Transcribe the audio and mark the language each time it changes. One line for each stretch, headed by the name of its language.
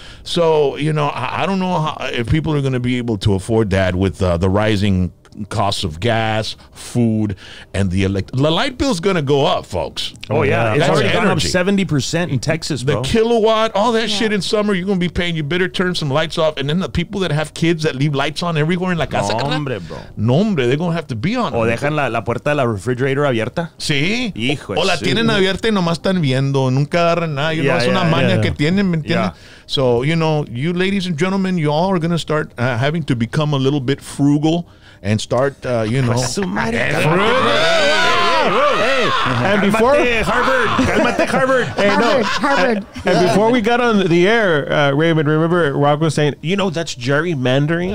English: So, you know, I don't know if people are going to be able to afford that with the rising costs of gas, food, and the light bill's going to go up, folks. Oh, yeah. It's already gone up 70% in Texas, bro. The kilowatt, all that shit in summer, you're going to be paying. You better turn some lights off. And then the people that have kids that leave lights on everywhere in
Spanish: La Casa. Nombre, bro. Nombre,
English: they're going to have to be on.
Spanish: O dejan la puerta de la refrigerator abierta. Sí. Hijo o la tienen abierta y nomás están viendo. Nunca agarran nada.
English: You know,
Spanish: es una maña que tienen, ¿me entiendes?
English: Yeah. So, you know, you ladies and gentlemen, you all are going to start having to become a little bit frugal. And start, you know. And before Harvard, hey, no. Harvard. And before we got on the air, Raymond, remember Rock was saying, you know, that's gerrymandering.